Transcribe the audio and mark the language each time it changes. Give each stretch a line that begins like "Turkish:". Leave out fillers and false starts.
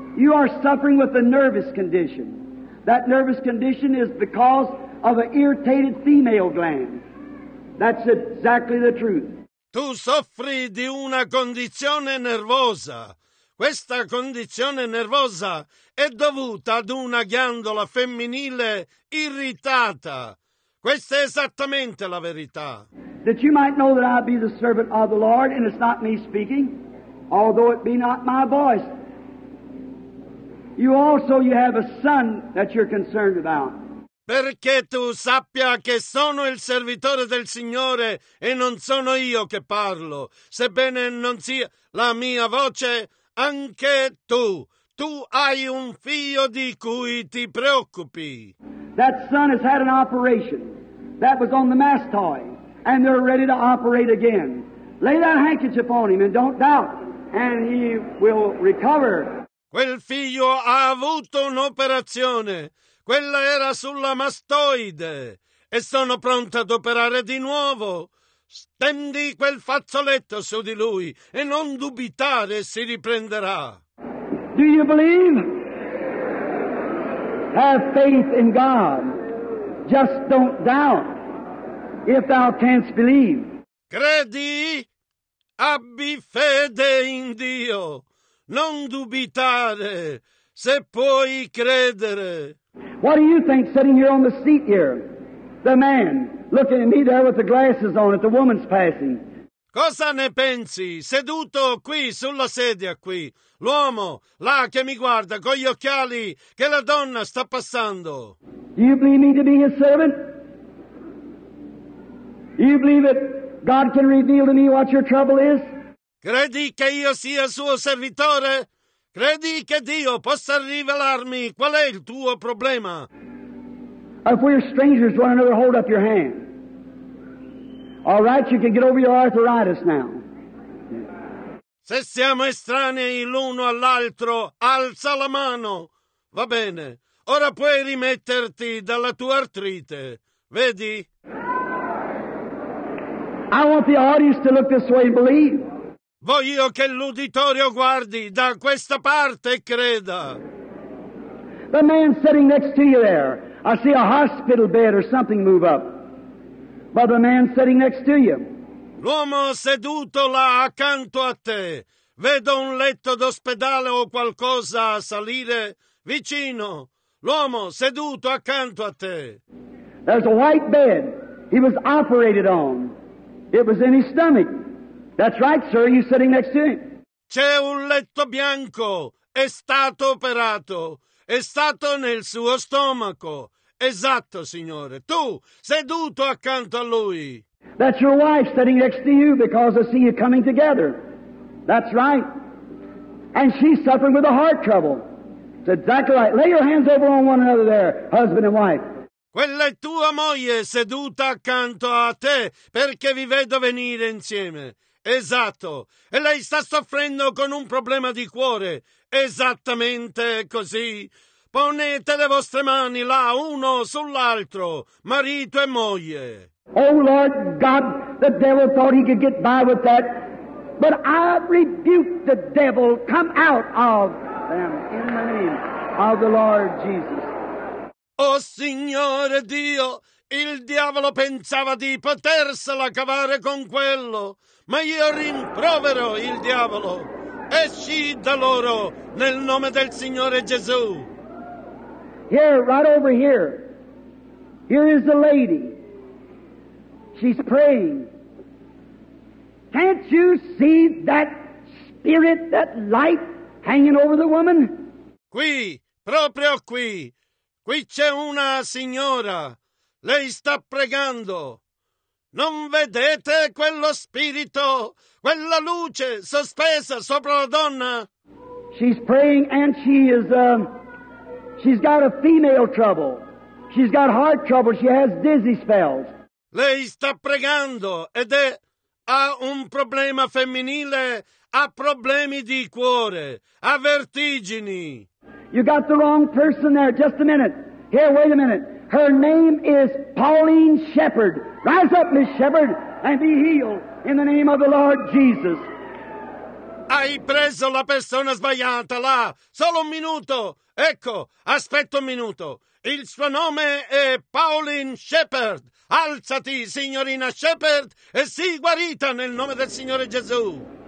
English: You are suffering with a nervous condition. That nervous condition is because of an irritated female gland. That's exactly the truth.
Italian: Tu soffri di una condizione nervosa. Questa condizione nervosa è dovuta ad una ghiandola femminile irritata. Questa è esattamente la verità.
English: That you might know that I be the servant of the Lord, and it's not me speaking, although it be not my voice. You have a son that you're concerned about.
Italian: Perché tu sappia che sono il servitore del Signore e non sono io che parlo, sebbene non sia la mia voce. Anche tu hai un figlio di cui ti preoccupi.
English: That son has had an operation. That was on the mastoid. And they're ready to operate again. Lay that handkerchief on him and don't doubt. And he will recover.
Italian: Quel figlio ha avuto un'operazione. Quella era sulla mastoide. E sono pronto ad operare di nuovo. Stendi quel fazzoletto su di lui e non dubitare, si riprenderà.
English: Do you believe? Have faith in God. Just don't doubt if thou canst believe.
Italian: Credi? Abbi fede in Dio. Non dubitare se puoi credere.
English: What do you think sitting here on the seat here? The man looking at me there with the glasses on at the woman's passing.
Italian: Cosa ne pensi, seduto qui sulla sedia qui, l'uomo là che mi guarda con gli occhiali che la donna sta passando?
English: Do you believe me to be his servant? Do you believe that God can reveal to me what your trouble is?
Italian: Credi che io sia suo servitore? Credi che Dio possa rivelarmi qual è il tuo problema?
English: If we're strangers to one another, hold up your hand. All right, you can get over your arthritis now.
Italian: Se siamo estranei l'uno all'altro, alza la mano. Va bene. Ora puoi rimetterti dalla tua artrite. Vedi?
English: I want the audience to look this way and believe.
Italian: Voglio che l'uditorio guardi da questa parte e creda.
English: The man sitting next to you there, I see a hospital bed or something move up. By the man sitting next to you.
Italian: L'uomo seduto là accanto a te. Vedo un letto d'ospedale o qualcosa a salire vicino. L'uomo seduto accanto a te.
English: There's a white bed. He was operated on. It was in his stomach. That's right, sir. You're sitting next to him.
Italian: C'è un letto bianco. È stato operato. È stato nel suo stomaco. Esatto, signore. Tu, seduto accanto a lui.
English: That's your wife sitting next to you because I see you coming together. That's right. And she's suffering with a heart trouble. That's exactly right. Lay your hands over on one another there, husband and wife.
Italian: Quella è tua moglie seduta accanto a te perché vi vedo venire insieme. Esatto. E lei sta soffrendo con un problema di cuore. Esattamente così. Ponete le vostre mani là, uno sull'altro, marito e moglie.
English: Oh Lord God, the devil thought he could get by with that. But I rebuke the devil, come out of them in the name of the Lord Jesus.
Italian: Oh Signore Dio, il diavolo pensava di potersela cavare con quello, ma io rimprovero il diavolo. Esci da loro nel nome del Signore Gesù.
English: Here, right over here. Here is the lady. She's praying. Can't you see that spirit, that light hanging over the woman?
Italian: Qui, proprio qui. Qui c'è una signora. Lei sta pregando. Non vedete quello spirito, quella luce sospesa sopra la donna?
English: She's praying and she is She's got a female trouble. She's got heart trouble. She has dizzy spells.
Italian: Lei sta pregando ed è ha un problema femminile, ha problemi di cuore, ha vertigini.
English: You got the wrong person there. Just a minute. Here, wait a minute. Her name is Pauline Shepherd. Rise up, Miss Shepherd, and be healed in the name of the Lord Jesus.
Italian: Hai preso la persona sbagliata là. Solo un minuto. Ecco, aspetta un minuto. Il suo nome è Pauline Shepherd. Alzati, signorina Shepherd, e sii guarita nel nome del Signore Gesù.